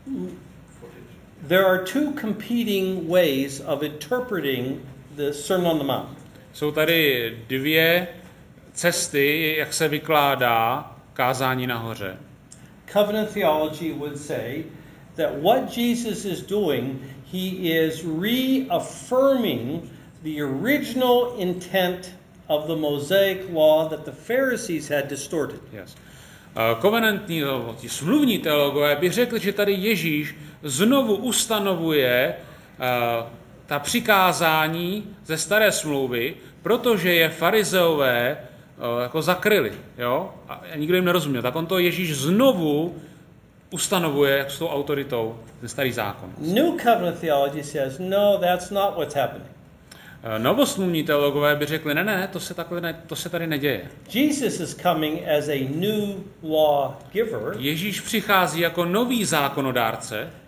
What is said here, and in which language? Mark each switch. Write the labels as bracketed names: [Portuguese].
[English] Now, there are two competing ways of interpreting the Sermon on the Mount. [Czech] Jsou tady dvě cesty, jak se vykládá kázání nahoře. [English] Covenant theology would say that what Jesus is doing, he is reaffirming the original intent of the Mosaic law that the Pharisees had distorted. Yes. [Czech] Covenantní teologové, smluvní teologové by řekli, že tady Ježíš znovu ustanovuje ta přikázání ze staré smlouvy, protože je farizeové jako zakryli, jo? A nikdo jim nerozuměl. Tak on to Ježíš znovu ustanovuje s tou autoritou ten starý zákon. [English] New covenant theology says, no, that's not what's happening. [Czech] Novosmluvní teologové by řekli, ne, to se takhle ne, to se tady neděje. [English] Jesus is coming as a new law giver. [Czech] Ježíš přichází jako nový zákonodárce.